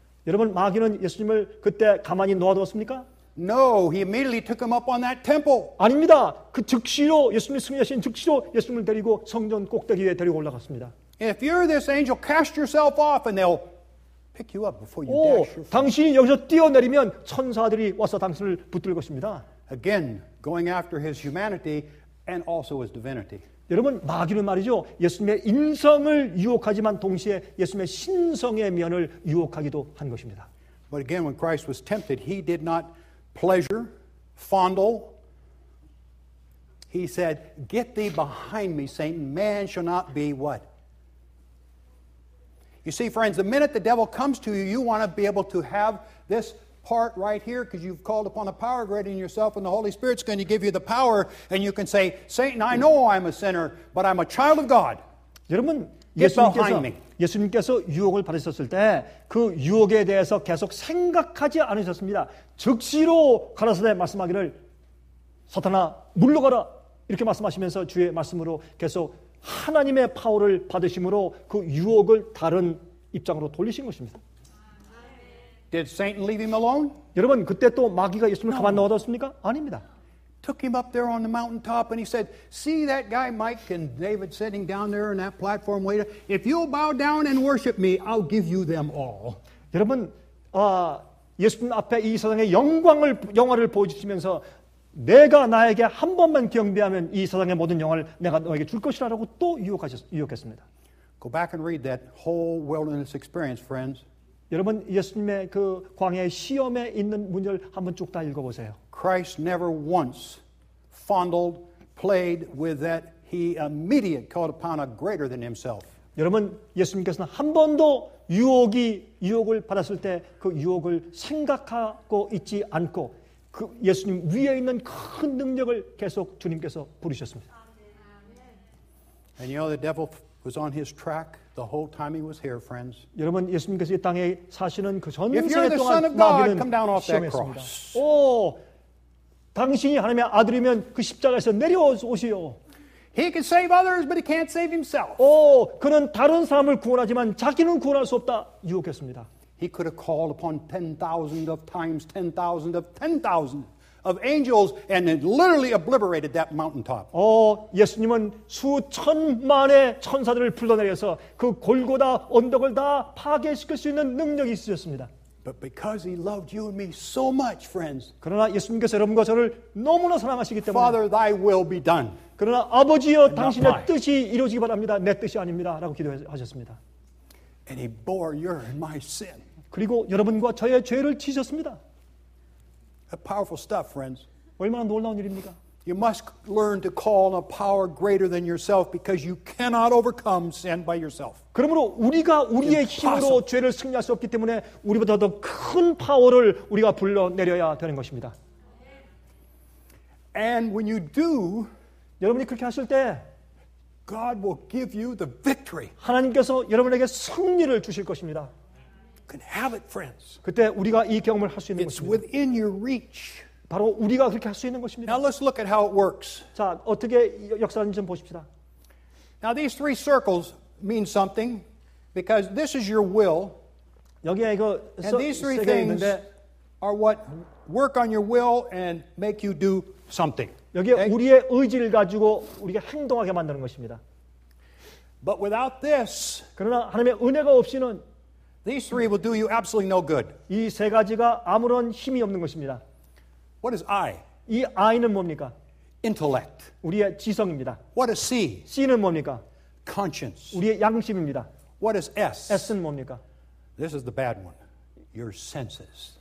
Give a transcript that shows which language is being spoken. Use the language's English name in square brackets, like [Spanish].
[Korean] 여러분 마귀는 예수님을 그때 가만히 놔두었습니까? [English] No, he immediately took him up on that temple. [Korean] 아닙니다. 그 즉시로 예수님이 승리하신 즉시로 예수님을 데리고 성전 꼭대기에 데리고 올라갔습니다. [English] If you're this angel, cast yourself off and they'll pick you up before you dash. [Korean] 당신이 여기서 뛰어내리면 천사들이 와서 당신을 붙들 것입니다. [English] Again, going after his humanity and also his divinity. [Korean] 여러분 마귀는 말이죠. 예수님의 인성을 유혹하지만 동시에 예수님의 신성의 면을 유혹하기도 한 것입니다. [English] But again, when Christ was tempted, he did not pleasure, fondle. He said, "Get thee behind me, Satan. Man shall not be what." You see, friends, the minute the devil comes to you, you want to be able to have this part right here because you've called upon the power greater than yourself and the Holy Spirit's going to give you the power and you can say, Satan, I know I'm a sinner, but I'm a child of God. [Korean] 여러분, [English] get behind me. [Korean] 예수님께서 유혹을 받으셨을 때 그 유혹에 대해서 계속 생각하지 않으셨습니다. 즉시로 가라사대 말씀하기를 사탄아 물러가라 이렇게 말씀하시면서 주의 말씀으로 계속 하나님의 파워를 받으심으로 그 유혹을 다른 입장으로 돌리신 것입니다. [English] Did Satan leave him alone? [Korean] 여러분 그때 또 마귀가 예수님을 가만 놔뒀습니까? 아닙니다. [English] Took him up there on the mountaintop and he said, See that guy Mike and David sitting down there on that platform waiting. If you'll bow down and worship me, I'll give you them all. [Korean] 여러분 예수님 앞에 이 세상의 영광을 영화를 보여주시면서 내가 나에게 한 번만 경배하면 이 세상의 모든 영화를 내가 너에게 줄 것이라고 또 유혹했습니다. [English] Go back and read that whole wilderness experience, friends. [Korean] 여러분 예수님의 그 광야의 시험에 있는 문제를 한번 쭉 다 읽어보세요. [English] Christ never once fondled, played with that he immediately called upon a greater than himself. [Korean] 여러분 예수님께서는 한 번도 유혹이 유혹을 받았을 때 그 유혹을 생각하고 있지 않고 그 예수님 위에 있는 큰 능력을 계속 주님께서 부르셨습니다. [English] And you know the devil was on his track the whole time he was here, friends. [Korean] 여러분 예수님께서 이 땅에 사시는 그 전생 동안 마귀는 시험했습니다. 오, 당신이 하나님의 아들이면 그 십자가에서 내려오시오. [English] He can save others, but he can't save himself. [Korean] 오, 그는 다른 사람을 구원하지만 자기는 구원할 수 없다 유혹했습니다. [English] He could have called upon 10,000 of times 10,000 of 10,000 of angels and it literally obliterated that mountaintop. [Korean] 오, 예수님은 수천만의 천사들을 불러내려서 그 골고다 언덕을 다 파괴시킬 수 있는 능력이 있으셨습니다. [English] But because he loved you and me so much, friends. [Korean] 그러나 예수님께서 여러분과 저를 너무나 사랑하시기 때문에 [English] Father, thy will be done. [Korean] 그러나 아버지여 당신의 뜻이 이루어지기 바랍니다. 내 뜻이 아닙니다. 라고 기도하셨습니다. [English] And he bore your and my sin. [Korean] 그리고 여러분과 저의 죄를 지셨습니다. [English] A powerful stuff, friends. [Korean] 얼마나 놀라운 일입니까? [English] You must learn to call on a power greater than yourself because you cannot overcome sin by yourself. [Korean] 그러므로 우리가 우리의 힘으로 [English] Impossible. [Korean] 죄를 승리할 수 없기 때문에 우리보다 더 큰 파워를 우리가 불러내려야 되는 것입니다. [English] And when you do, [Korean] 여러분이 그렇게 하실 때 [English] God will give you the victory. [Korean] 하나님께서 여러분에게 승리를 주실 것입니다. [English] Can have it, friends. [Korean] 그때 우리가 이 경험을 할 수 있는 [English] It's [Korean] 것입니다. [English] It's within your reach. [Korean] 바로 우리가 그렇게 할 수 있는 것입니다. [English] Now let's look at how it works. [Korean] 자, 어떻게 역사하는지 좀 보십시다. [English] Now these three circles mean something because this is your will. [Korean] 여기에 그 [English] And these three things [Korean] 있는데, [English] are what work on your will and make you do something. [Korean] 여기에 [English] okay? [Korean] 우리의 의지를 가지고 우리가 행동하게 만드는 것입니다. [English] But without this, [Korean] 그러나 하나님의 은혜가 없이는 [English] these three will do you absolutely no good. [Korean] 이 세 가지가 아무런 힘이 없는 것입니다. [English] What is I? [Korean] 이 I는 뭡니까? [English] Intellect. [Korean] 우리의 지성입니다. [English] What is C? [Korean] C는 뭡니까? [English] Conscience. [Korean] 우리의 양심입니다. [English] What is S? [Korean] S는 뭡니까? [English] This is the bad one. Your senses.